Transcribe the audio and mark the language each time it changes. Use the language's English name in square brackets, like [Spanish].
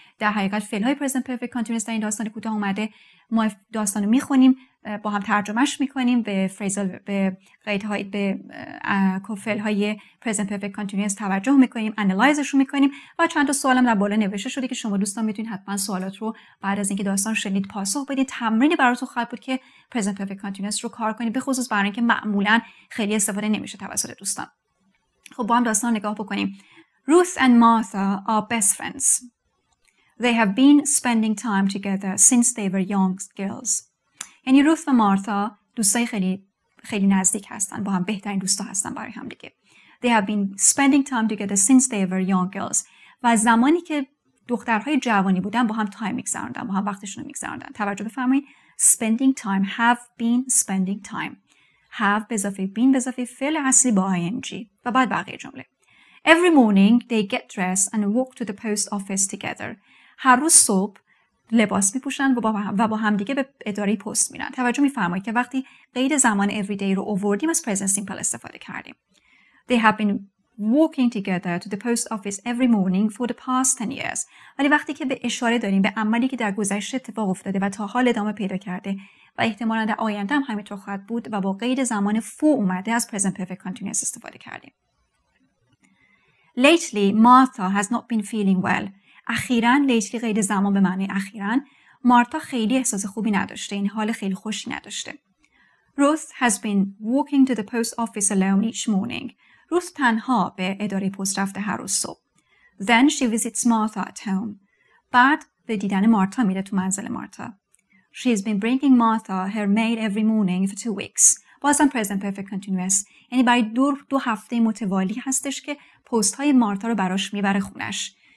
[Persian] در حقیقت فعل‌های پرزنت پرفکت کانتینیوس در این داستان کوتاه اومده. ما داستان رو می‌خونیم، با هم ترجمهش می‌کنیم به فریزل، به قید‌های، به فعل‌های پرزنت پرفکت کانتینیوس توجه می‌کنیم، آنالایزش رو می‌کنیم و چند تا سوال هم در بالا نوشته شده که شما دوستان می‌تونید حتما سوالات رو بعد از اینکه داستان رو شنید پاسخ بدید. تمرینی براتون خواهد بود که پرزنت پرفکت کانتینیوس رو کار کنید، به خصوص برای اینکه معمولاً خیلی استفاده نمی‌شه توسط دوستان. خب با هم داستان نگاه بکنیم. [English] Ruth and Martha are best friends. They have been spending time together since they were young girls. [Persian] یعنی روث و مارتا دوستای خیلی خیلی نزدیک هستن، با هم بهترین دوستا هستن برای هم دیگه. [English] They have been spending time together since they were young girls. [Persian] و زمانی که دخترهای جوانی بودن با هم تایم می‌گذروندن، با هم وقتشون رو می‌گذروندن. توجه بفرمایید، [English] spending time، have been spending time. [Persian] Have به اضافه been به اضافه فعل اصلی با ing و بعد بقیه جمله. [English] Every morning they get dressed and walk to the post office together. [Persian] هر روز صبح لباس میپوشن و با هم دیگه به اداره پست میرن. توجه میفرمایید که وقتی قید زمان everyday رو آوردیم از present simple استفاده کردیم. [English] They have been walking together to the post office every morning for the past 10 years. [Persian] ولی وقتی که به اشاره داریم به عملی که در گذشته اتفاق افتاده و تا حال ادامه پیدا کرده و احتمالاً در آینده هم همینطور خواهد بود و با قید زمان for اومده از present perfect continuous استفاده کردیم. [English] Lately, Martha has not been feeling well. [Persian] اخیراً، lately قید زمان به معنی اخیراً، مارتا خیلی احساس خوبی نداشته، این حال خیلی خوشی نداشته. [English] Ruth has been walking to the post office alone each morning. [Persian] Ruth تنها به اداره پست رفته هر روز صبح. [English] Then she visits Martha at home. [Persian] بعد به دیدن مارتا میره تو منزل مارتا. [English] She has been bringing Martha her maid every morning for 2 weeks. [Persian] بازم present perfect continuous. یعنی برای دو هفته متوالی هستش که پست های مارتا رو براش میبره خونش.